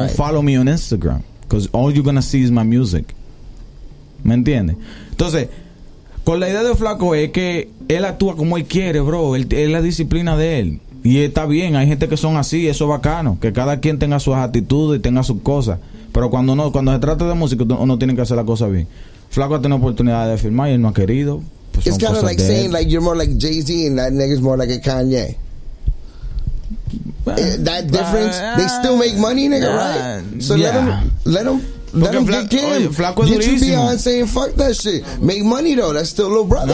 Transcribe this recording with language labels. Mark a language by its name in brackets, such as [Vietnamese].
[English] Don't follow me on Instagram, because all you're gonna see is my music. [Spanish] ¿Me entiendes? Entonces, con la idea de Flaco es que él actúa como él quiere, bro. Es la disciplina de él. Y está bien, hay gente que son así, eso es bacano, que cada quien tenga sus actitudes y tenga sus cosas. Pero cuando se trata de música, uno tiene que hacer la cosa bien. Flaco ha tenido oportunidad de firmar y él no ha querido. [English] Pues it's kind of like saying like you're more like Jay-Z and that nigga's more like a Kanye. That difference, they still make money, nigga, right? So yeah. Let him get him. Flaco YouTube saying fuck that shit. Make money though. That's still little brother.